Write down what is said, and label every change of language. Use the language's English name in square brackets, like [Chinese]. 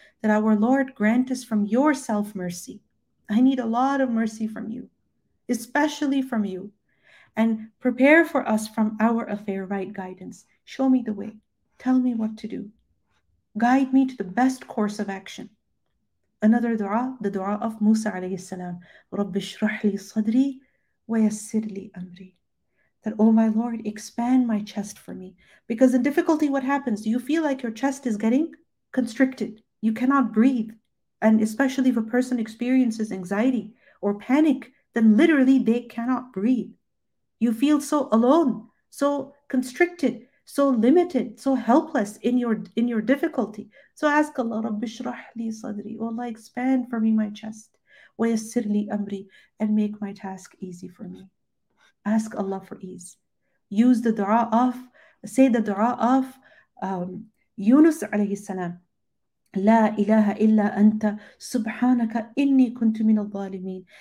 [English] That our Lord grant us from yourself mercy. I need a lot of mercy from you, especially from you. And prepare for us from our affair right guidance. Show me the way. Tell me what to do. Guide me to the best course of action. Another dua, the dua of Musa alayhi salam. [Arabic] رَبِّ اشْرَحْ لِي صَدْرِي وَيَسِّرْ لِي أَمْرِي. [English] That, oh my Lord, expand my chest for me. Because in difficulty, what happens? You feel like your chest is getting constricted. You cannot breathe. And especially if a person experiences anxiety or panic, then literally they cannot breathe. You feel so alone, so constricted, so limited, so helpless in your difficulty. So ask Allah, [Arabic] رَبِّ اشْرَحْ لِي صَدْرِي. [English] Oh Allah, expand for me my chest. [Arabic] وَيَسِّرْ لِي أَمْرِي. [English] And make my task easy for me. Ask Allah for ease. Use the dua of, say the dua of Yunus alayhi salam. [Arabic] La ilaha illa anta subhanaka inni kuntu min al-zalimin.